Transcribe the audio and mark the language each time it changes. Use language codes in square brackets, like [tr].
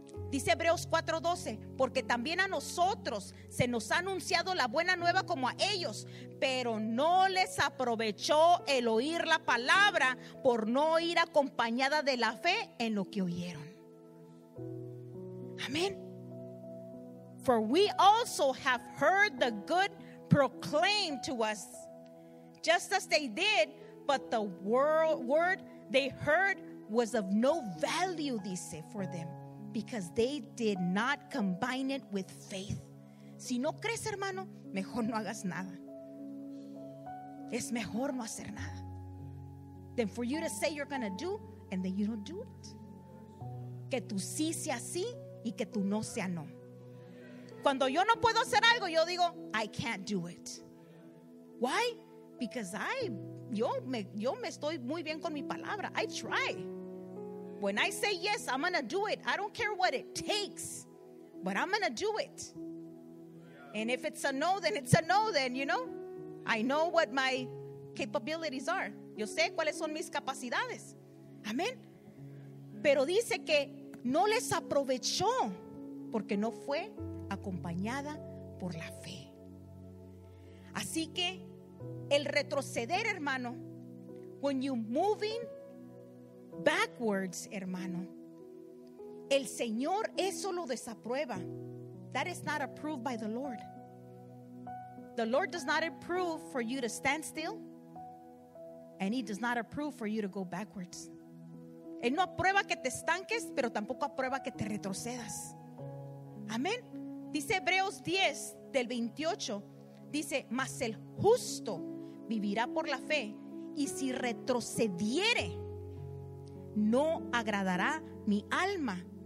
[es] Dice Hebreos 4:12, porque también a nosotros se nos ha anunciado la buena nueva como a ellos, pero no les aprovechó el oír la palabra por no ir acompañada de la fe en lo que oyeron. Amén. [en] For we also have heard the good proclaimed to us, just as they did, but the word they heard was of no value, [es] dice, [en] for them. Because they did not combine it with faith. [es] Si no crees, hermano, mejor no hagas nada. Es mejor no hacer nada. [en] Than for you to say you're going to do and then you don't do it. [es] Que tu sí sea sí y que tu no sea no. Cuando yo no puedo hacer algo, yo digo, [en] I can't do it. Why? Because [es] yo me estoy muy bien con mi palabra. [en] I try. When I say yes, I'm going to do it. I don't care what it takes, but I'm going to do it. And if it's a no, then it's a no, then, you know, I know what my capabilities are. [es] Yo sé cuáles son mis capacidades. Amén. Pero dice que no les aprovechó porque no fue acompañada por la fe. Así que el retroceder, hermano, [en] when you moving backwards, [es] hermano, el Señor eso lo desaprueba. [en] That is not approved by the Lord. The Lord does not approve for you to stand still, and He does not approve for you to go backwards. [es] Él no aprueba que te estanques, pero tampoco aprueba que te retrocedas. Amén. Dice Hebreos 10 del 28. Dice: mas el justo vivirá por la fe, y si retrocediere, no agradará mi alma.